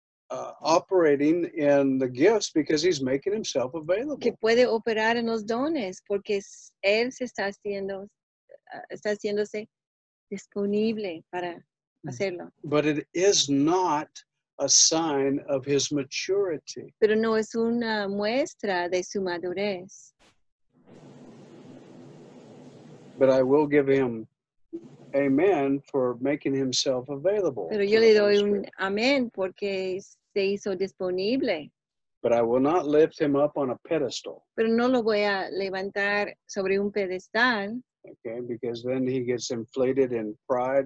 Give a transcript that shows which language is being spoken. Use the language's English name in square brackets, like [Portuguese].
[English] operating in the gifts because he's making himself available. [Spanish] Que puede operar en los dones porque él se está haciendo, está haciéndose disponible para hacerlo. [English] But it is not a sign of his maturity. [Spanish] Pero no es una muestra de su madurez. [English] But I will give him amen for making himself available. [Spanish] Pero yo le doy un amén porque se hizo disponible. [English] But I will not lift him up on a pedestal. [Spanish] Pero no lo voy a levantar sobre un pedestal. [English] Okay, because then he gets inflated in pride.